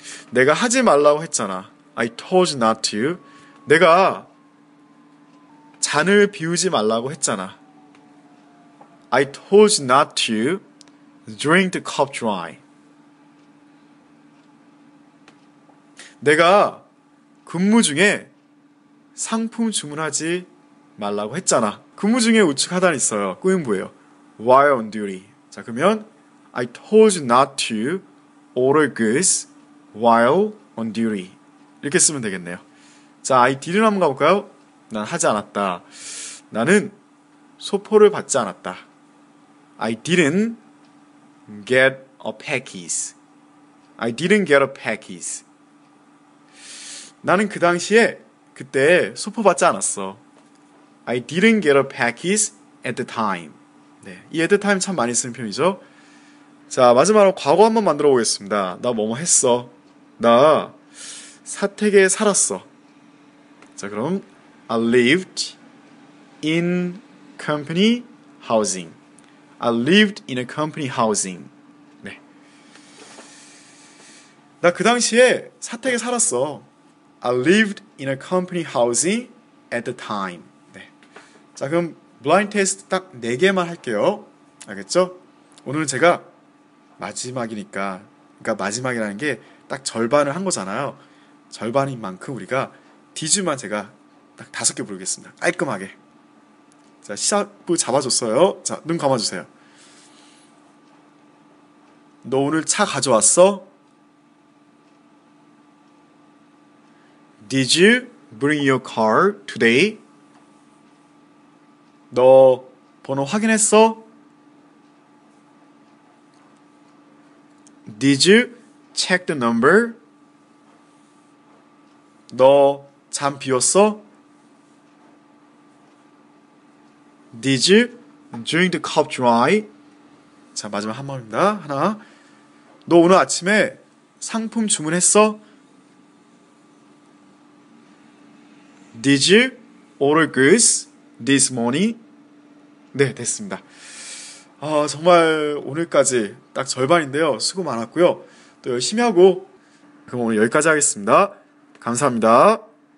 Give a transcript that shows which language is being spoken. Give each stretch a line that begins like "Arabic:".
Korean: 내가 하지 말라고 했잖아.
English: I told you not to.
Korean: 내가 잔을 비우지 말라고 했잖아.
English: I told you not to drink the cup dry.
Korean: 내가 근무 중에 상품 주문하지 말라고 했잖아. 근무 중에 우측 하단이 있어요. 꾸임부예요.
English: While on duty.
Korean: 자, 그러면
English: I told you not to order goods while on duty.
Korean: 이렇게 쓰면 되겠네요. 자,
English: I did
Korean: 한번 가볼까요? 난 하지 않았다. 나는 소포를 받지 않았다.
English: I didn't get a package. I didn't get a package.
Korean: 나는 그 당시에 그때 소포 받지 않았어.
English: I didn't get a package at the time.
Korean: 네, 이
English: at the time
Korean: 참 많이 쓰는 표현이죠. 자, 마지막으로 과거 한번 만들어 보겠습니다. 나 뭐뭐 했어. 나 사택에 살았어. 자, 그럼
English: I lived in company housing. I lived in a company housing.
Korean: 네. 나 그 당시에 사택에 살았어.
English: I lived in a company housing at the time.
Korean: 네. 자, 그럼
English: blind test
Korean: 딱 네 개만 할게요. 알겠죠? 오늘은 제가 마지막이니까, 그러니까 마지막이라는 게 딱 절반을 한 거잖아요. 절반인 만큼 우리가 디즈만 제가 딱 다섯 개 부르겠습니다. 깔끔하게. 자, 시작부 잡아줬어요. 자, 눈 감아주세요. 너 오늘 차 가져왔어?
English: Did you bring your car today?
Korean: 너 번호 확인했어?
English: Did you check the number?
Korean: 너 잔 비웠어?
English: Did you drink the cup dry?
Korean: 자, 마지막 한 번입니다. 하나, 너 오늘 아침에 상품 주문했어?
English: Did you order goods this morning?
Korean: 네, 됐습니다. 아, 정말 오늘까지 딱 절반인데요. 수고 많았고요. 또 열심히 하고 그럼 오늘 여기까지 하겠습니다. 감사합니다.